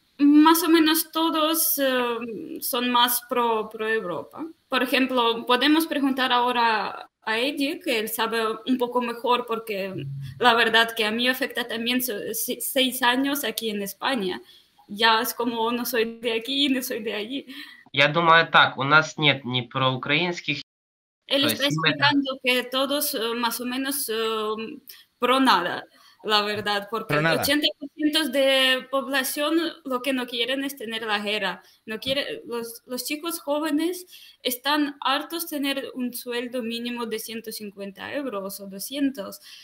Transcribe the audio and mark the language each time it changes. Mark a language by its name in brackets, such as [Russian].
[Spanish] Más o menos todos son más pro Europa. Por ejemplo, podemos preguntar ahora a Eddie, que él sabe un poco mejor, porque la verdad que a mí afecta también 6 años aquí en España. Ya es como no soy de aquí, no soy de allí. [Russian] Я думаю, так, у нас нет ни проукраинских. [Spanish] Él está explicando que todos más o menos pro nada, la verdad, porque el 80% de población lo que no quieren es tener la guerra. No quiere, los chicos jóvenes están hartos de tener un sueldo mínimo de 150 euros o 200.